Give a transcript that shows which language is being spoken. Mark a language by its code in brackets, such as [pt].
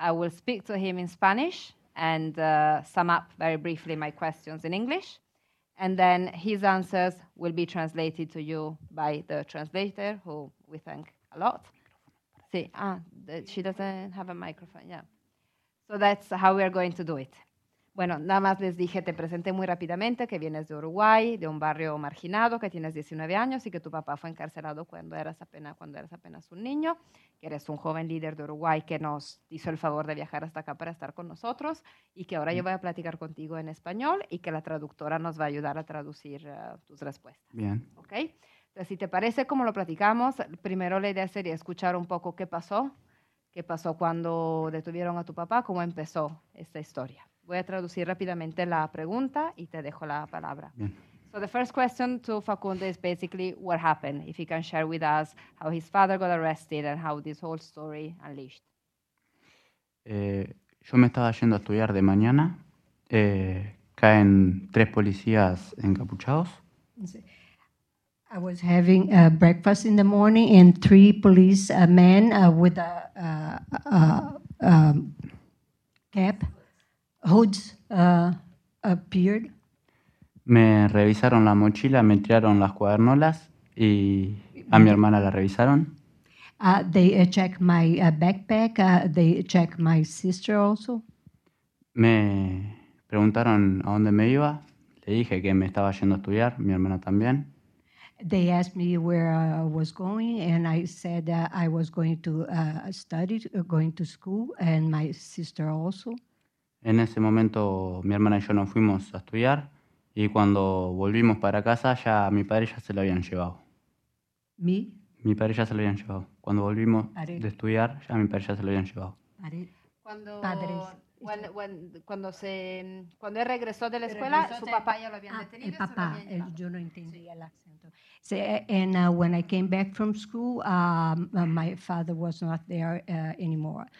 [en] I will speak to him in Spanish and sum up very briefly my questions in English. And then his answers will be translated to you by the translator, who we thank a lot. See, she doesn't have a microphone, yeah. So that's how we are going to do it. [es] Bueno, nada más les dije, te presenté muy rápidamente que vienes de Uruguay, de un barrio marginado, que tienes 19 años y que tu papá fue encarcelado cuando eras apenas un niño, que eres un joven líder de Uruguay que nos hizo el favor de viajar hasta acá para estar con nosotros y que ahora yo voy a platicar contigo en español y que la traductora nos va a ayudar a traducir tus respuestas. Bien. ¿Ok? Entonces, si te parece, como lo platicamos, primero la idea sería escuchar un poco qué pasó cuando detuvieron a tu papá, cómo empezó esta historia. Voy a traducir rápidamente la pregunta y te dejo la palabra. Bien. [en] So the first question to Facundo is basically what happened. If he can share with us how his father got arrested and how this whole story unleashed. [es] Yo me estaba yendo a estudiar de mañana. Caen tres policías encapuchados. [en] I was having a breakfast in the morning and three police men with a cap. Hoods appeared. [es] Me revisaron la mochila, me tiraron las cuadernolas y a mi hermana la revisaron. [en] They checked my backpack. They checked my sister also. [es] Me preguntaron a dónde me iba. Le dije que me estaba yendo a estudiar, mi hermana también. [en] They asked me where I was going and I said I was going to study, going to school, and my sister also. [es] En ese momento, mi hermana y yo nos fuimos a estudiar y cuando volvimos para casa, ya mi padre ya se lo habían llevado. ¿Mi? Mi padre ya se lo habían llevado. Cuando volvimos padre. De estudiar, ya mi padre ya se lo habían llevado. Cuando, padres. Cuando él regresó de la escuela, su papá ya lo habían detenido. El papá, yo no entendí el acento. [en] So, and when I came back from school, my father was not there anymore.